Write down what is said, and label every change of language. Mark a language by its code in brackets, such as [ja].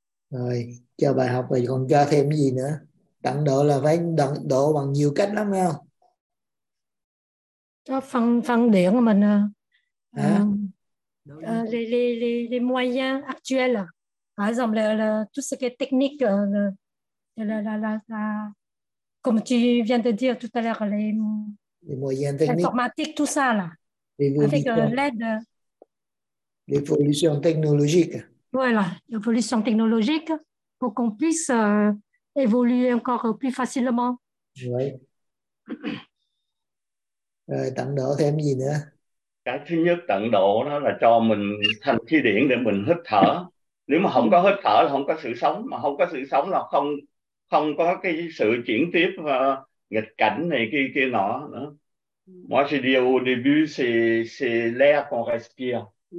[vi] Rồi, cho bài học rồi còn cho thêm cái gì nữa? Tận độ là phải độ bằng nhiều cách lắm phải không? Cho phân phân điển của mình Hả? [fr] les moyens actuels. Par exemple, tout ce qui est technique, comme tu viens de dire tout à l'heure, les moyens techniques. L'informatique, tout ça, là. Avec l'aide. L'évolution technologique. Voilà, l'évolution technologique pour qu'on puisse évoluer encore plus facilement. Oui. [vi] Rồi tận độ thêm gì nữa? Cái thứ nhất tận độ đó là cho mình thành khí điển để mình hít thở. Nếu mà không có hít thở là không có sự sống, mà không có sự sống là không không có cái sự chuyển tiếp nghịch cảnh này kia kia nọ nữa. [fr] Moi j'ai dit au début c'est l'air qu'on respire.